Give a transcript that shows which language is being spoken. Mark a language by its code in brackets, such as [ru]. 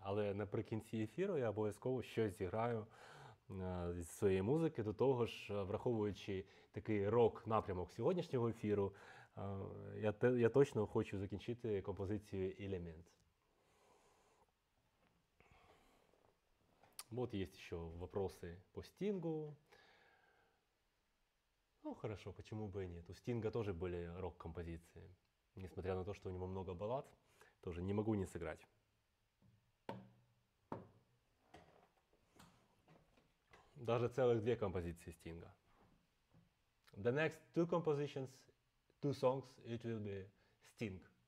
[uk] Але наприкінці ефіру я обов'язково щось зіграю зі своєї музики. До того ж, враховуючи такий рок-напрямок сьогоднішнього ефіру, я точно хочу закінчити композицію «Елемент». [ru] Вот есть еще вопросы по Стингу. Ну хорошо, почему бы и нет? У Стинга тоже были рок-композиции. Несмотря на то, что у него много баллад, тоже не могу не сыграть. Даже целых две композиции Стинга. [en] The next two compositions, two songs, it will be Sting.